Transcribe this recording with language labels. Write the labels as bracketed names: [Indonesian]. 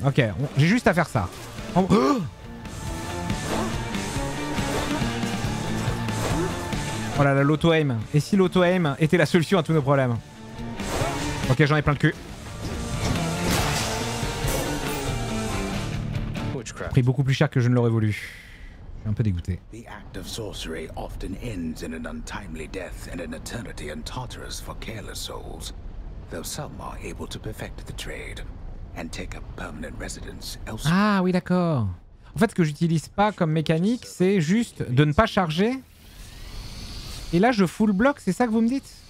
[French] Ok, j'ai juste à faire ça. Oh là là, l'auto-aim. Et si l'auto-aim était la solution à tous nos problèmes? Ok, j'en ai plein le cul. Pris beaucoup plus cher que je ne l'aurais voulu. Je suis un peu dégoûté. [English] The act of sorcery often ends in an untimely death and an eternity in Tartarus for careless souls. Though some are able to perfect the trade and take a permanent residence elsewhere. [French] Ah oui, d'accord. En fait, ce que j'utilise pas comme mécanique, c'est juste de ne pas charger. Et là, je full block, c'est ça que vous me dites?